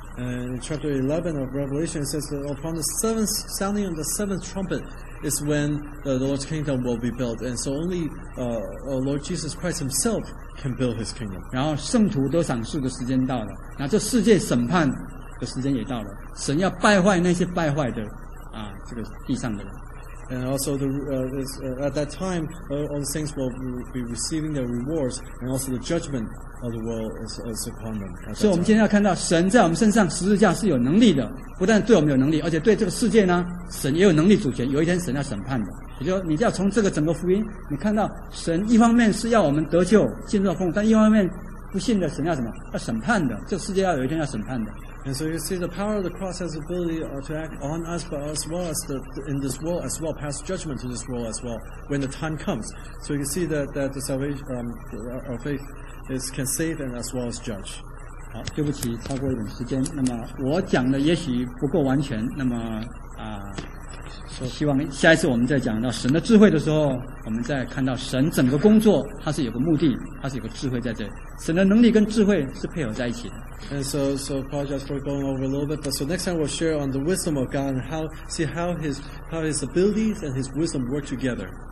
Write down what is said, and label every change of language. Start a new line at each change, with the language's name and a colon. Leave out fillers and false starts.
English: And in chapter 11 of Revelation it says that upon the seventh sounding of the seventh trumpet is when the Lord's kingdom will be built, and so only Lord Jesus Christ himself can build his kingdom.
Chinese: 然后圣徒得赏赐的时间到了，然后这世界审判的时间也到了，神要败坏那些败坏的这个地上的人。
English: And also at that time all the saints will be receiving their rewards, and also the judgment of the world is upon them.
Chinese: 所以我们今天要看到神在我们身上十字架是有能力的，不但对我们有能力，而且对这个世界呢，神也有能力主权，有一天神要审判的。也就你要从这个整个福音你看到，神一方面是要我们得救进入到丰富，但一方面不信的神要什么，要审判的，这个世界要有一天要审判的。
English: And so you see the power of the cross has the ability to act on us, but as well as in this world as well, pass judgment to this world as well when the time comes. So you see that the salvation, our faith is can save and as well as judge.
Chinese: 好，对不起，超过一点时间。那么我讲的也许不够完全。那么希望下一次我们再讲到神的智慧的时候，我们再看到神整个工作，它是有个目的，它是有个智慧在这里。神的能力跟智慧是配合在一起的。
English: And so apologize for going over a little bit, but so next time we'll share on the wisdom of God and how his abilities and his wisdom work together.